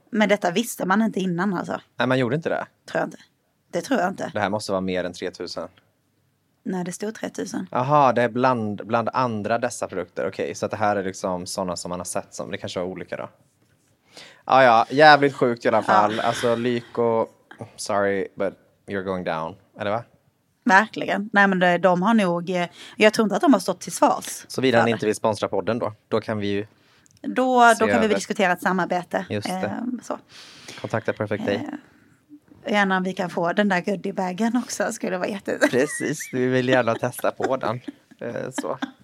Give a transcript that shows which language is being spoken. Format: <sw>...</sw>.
<sv>Men detta visste man inte innan alltså. Nej, man gjorde inte det. Tror jag inte. Det tror jag inte. Det här måste vara mer än 3000. Nej, det stod 3000. Jaha, det är bland andra dessa produkter. Okej, okay, så att det här är liksom sådana som man har sett som. Det kanske var olika då. Ja, jävligt sjukt i alla fall. Ja.</sv> <en>Alltså Lyko, sorry, but you're going down.</en> <sv>Eller va? Verkligen. Nej, men de har nog. Jag tror inte att de har stått till svars. Såvida ni inte vill sponsra podden då. Då kan vi ju. Då kan vi diskutera ett samarbete. Just det. Så. Kontakta Perfect Day. Gärna om vi kan få den där goodiebaggen också. Skulle vara jätte. Precis, vi vill gärna testa på den. Så.</sv>